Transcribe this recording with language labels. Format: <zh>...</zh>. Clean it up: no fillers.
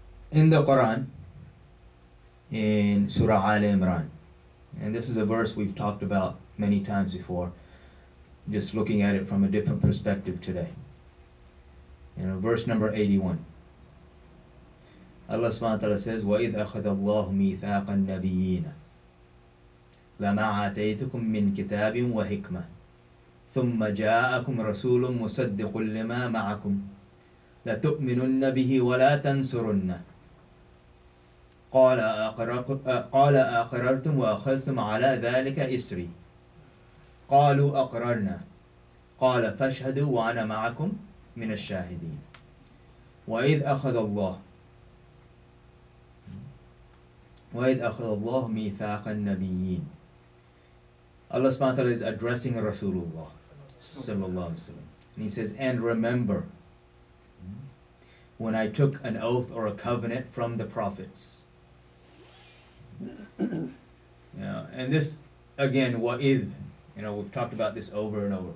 <en>In the Quran, in Surah Ali Imran, and this is a verse we've talked about many times before, just looking at it from a different perspective today. You know, verse number 81. Allah subhanahu wa ta'ala says,</en> <ar>وَإِذْ أَخَذَ اللَّهُ مِيثَاقَ النَّبِيِّينَ لَمَا عَتَيْتُكُم مِّن كِتَابٍ وَحِكْمَةٍ ثُمَّ جَاءَكُمْ رَسُولٌ مُصَدِّقٌ لِمَا مَعَكُمْ لَتُؤْمِنُنَّ بِهِ وَلَا تَنْصُرُنَّ قَالَ أَقْرَرْتُمْ وَأَخَذْتُمْ عَلَى ذَلِكَ إِسْرِي قَالُوا أَقْرَرْنَا قَالَ فَاشْهَدُوا وَأَنَا مَعَكُمْ مِنَ الشَّاهِدِينَ وَإِذْ أَخَذَ اللَّهُ مِيثَاقَ النَّبِيِّينَ.</ar> <en>Allah subhanahu wa ta'ala is addressing Rasulullah sallallahu alaihi wasallam. And he says, and remember when I took an oath or a covenant from the prophets. Yeah, and this again, wa'idh, you know, we've talked about this over and over.</en>